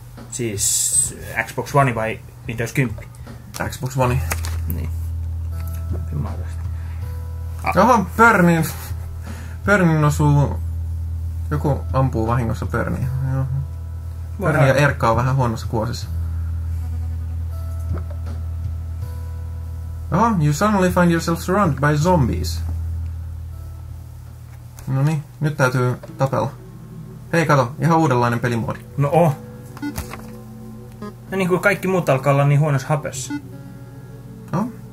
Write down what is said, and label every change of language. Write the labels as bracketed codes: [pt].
[fi] Siis Xbox One vai Windows 10? Xbox One. Niin. Ah. Oho, Pörnin. Pörnin osuu. Joku ampuu vahingossa Pörniä. Pörni ja Erkka on vähän huonossa kuosissa. [en] Oho, you suddenly find yourself surrounded by zombies. [fi] No niin, nyt täytyy tapella. Hei, kato, ihan uudenlainen pelimoodi. No on. No niin kuin kaikki muut alkaa olla niin huonossa hapessa. No.